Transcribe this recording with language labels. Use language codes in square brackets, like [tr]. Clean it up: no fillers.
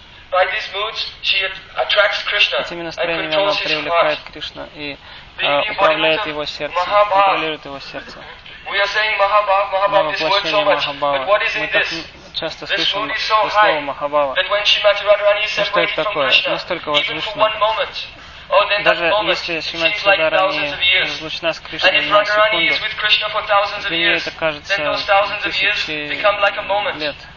[en] By these moods, she attracts Krishna and controls his heart. [ru] Этими настроениями она привлекает Кришну и управляет его сердцем, контролирует его сердце. [en] We are saying Mahabhava, Mahabhava, this word so much. Mahabhava. But what is it this? [ru] Часто слышим слово Махабхава. Что это такое? Настолько возвышенно. Даже если Шримати Радхарани разлучена с Кришной на секунду, для нее это кажется тысячи лет.